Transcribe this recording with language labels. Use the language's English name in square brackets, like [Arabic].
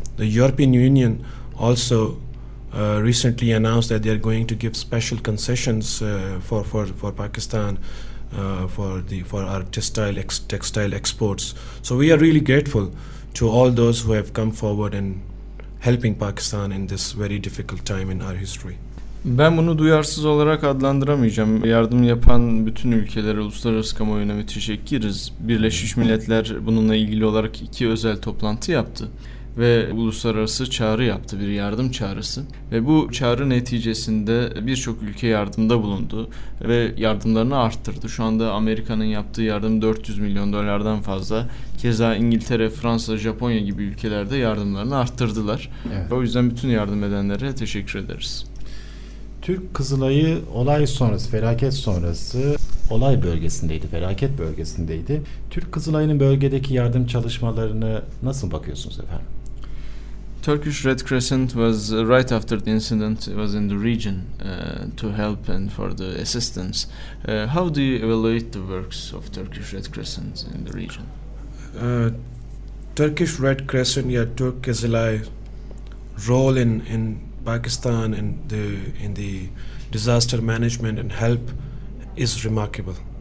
[English] The European Union also recently announced that they are going to give special concessions for Pakistan. For our textile exports. So we are really grateful to all those who have come forward and helping Pakistan in this very difficult time in our history. [Turkish] Ben bunu duyarsız olarak adlandıramayacağım. Yardım yapan bütün ülkelere, uluslararası kamuoyuna bir teşekkürüz. Birleşmiş Milletler bununla ilgili olarak iki özel toplantı yaptı ve uluslararası çağrı yaptı, bir yardım çağrısı. Ve bu çağrı neticesinde birçok ülke yardımda bulundu ve yardımlarını arttırdı. Şu anda Amerika'nın yaptığı yardım [English] $400 million [Turkish] fazla. Keza İngiltere, Fransa, Japonya gibi ülkelerde yardımlarını arttırdılar. Evet. O yüzden bütün yardım edenlere teşekkür ederiz. Türk Kızılay'ı olay sonrası, felaket sonrası olay bölgesindeydi, felaket bölgesindeydi. Türk Kızılay'ın bölgedeki yardım çalışmalarını nasıl bakıyorsunuz efendim? [English] Turkish Red Crescent was right after the incident was in the region to help and for the assistance. How do you evaluate the works of Turkish Red Crescent in the region? Turkish Red Crescent, yeah, Türk Kızılay role in Pakistan and in the disaster management and help is remarkable.